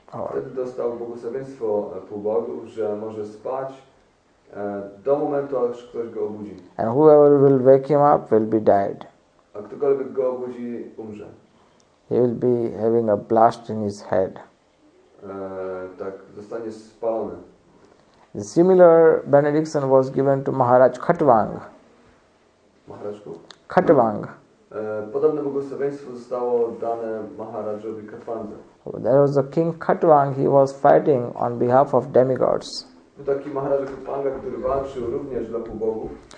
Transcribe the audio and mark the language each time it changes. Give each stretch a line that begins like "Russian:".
Polish: Wtedy dostał błogosławieństwo półbogów, że może spać do momentu, aż ktoś go obudzi.
English: And whoever will wake him up will be dead.
Polish: A ktokolwiek go obudzi, umrze.
English: He will be having a blast in his head.
Polish: Tak, zostanie spalony.
English: The similar benediction was given to Maharaj Khatvang.
Polish: Maharajku?
English: Khatvang.
Polish: Podobne błogosławieństwo zostało dane Maharajowi Khatvangze.
English: There was a king Khatvang, he was fighting on behalf of demigods.
Polish: Był taki Maharaj Khatvanga, który walczył również dla półbogów.